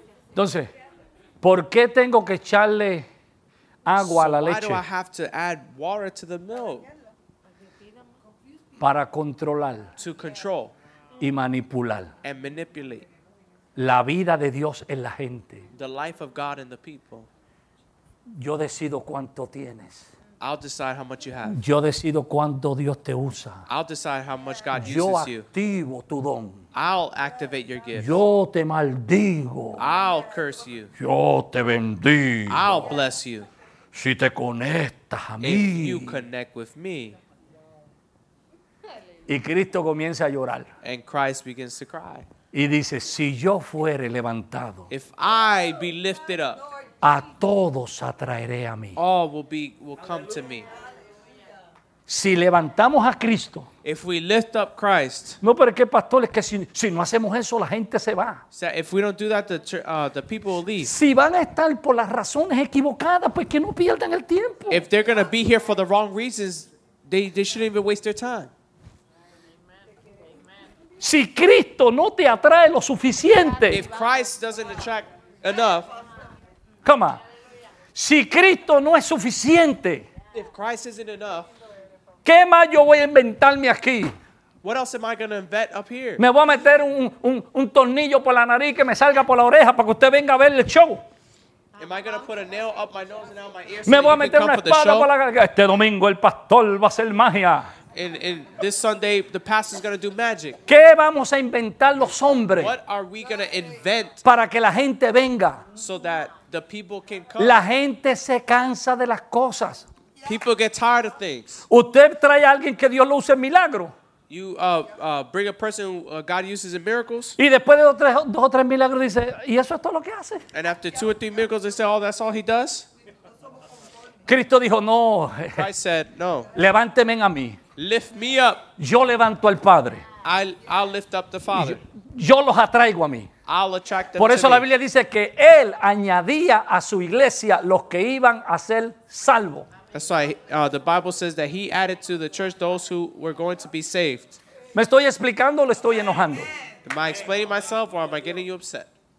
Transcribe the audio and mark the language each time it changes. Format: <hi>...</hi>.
<es>Entonces, ¿por qué tengo que echarle agua a la leche?</es> <en>So why do I have to add water to the milk?</en> <es>Para controlar.</es> <en>To control.</en> <es>Y manipular.</es> <en>And manipulate.</en> <es>La vida de Dios en la gente.</es> <en>The life of God in the people.</en> <es>Yo decido cuánto tienes.</es> <en>I'll decide how much you have.</en> <es>Yo decido cuánto Dios te usa.</es> <en>I'll decide how much God</en> <es>yo</es> <en>uses you.</en> <es>Yo activo tu don.</es> <en>I'll activate your gift.</en> <es>Yo te maldigo.</es> <en>I'll curse you.</en> <es>Yo te bendigo.</es> <en>I'll bless you.</en> <es>Si te conectas a</es> <en>if</en> <es>mí.</es> <en>If you connect with me.</en> <es>Y Cristo comienza a llorar.</es> <en>And Christ begins to cry.</en> <es>Y dice, si yo fuere levantado.</es> <en>If I be lifted up.</en> <es>A todos atraeré a mí.</es> <en>All will come to me.</en> <es>Si levantamos a Cristo.</es> <en>If we lift up Christ.</en> <es>No, pero es que pastor, es que si no hacemos eso, la gente se va.</es> <en>So if we don't do that, the people will leave.</en> <es>Si van a estar por las razones equivocadas, pues que no pierdan el tiempo.</es> <en>If they're going to be here for the wrong reasons, they shouldn't even waste their time.</en> <es>Si Cristo no te atrae lo suficiente.</es> <en>If Christ doesn't attract enough. Come on.</en> <es>Si Cristo no es suficiente.</es> <en>If Christ isn't enough.</en> <es>¿Qué más yo voy a inventarme aquí?</es> <en>What else am I going to invent up here?</en> <es>Me voy a meter un tornillo por la nariz que me salga por la oreja para que usted venga a ver el show.</es> <en>Am I going to put a nail up my nose and out my ear?</en> <es>Me voy a meter una espada por la garganta. Este domingo el pastor va a hacer magia.</es> <en>And this Sunday, the pastor is going to do magic.</en> <es>¿Qué vamos a inventar los hombres?</es> <en>What are we going to invent?</en> <es>Para que la gente venga.</es> <en>So that the people can come.</en> <es>La gente se cansa de las cosas.</es> <en>People get tired of things.</en> <es>Usted trae a alguien que Dios lo use en milagro.</es> <en>You bring a person who God uses in miracles.</en> <es>Y después de dos o tres milagros dice, ¿y eso es todo lo que hace?</es> <en>And after two or three miracles, they say, oh, that's all he does?</en> <es>Cristo dijo, no.</es> <en>Christ said, no.</en> <es>Levánteme a mí.</es> <en>Lift me up.</en> <es>Yo levanto al Padre.</es> <en>I'll lift up the Father.</en> <es>Yo los atraigo a mí.</es> <en>I'll attract them.</en> <es>Por eso</es> <en>to</en> <es>la</es> <en>me.</en> <es>Biblia dice que él añadía a su iglesia los que iban a ser salvos.</es> <en>That's why the Bible says that he added to the church those who were going to be saved.</en> <es>¿Me estoy explicando o le estoy enojando?</es> <en>Am I explaining myself or am I getting you upset?</en>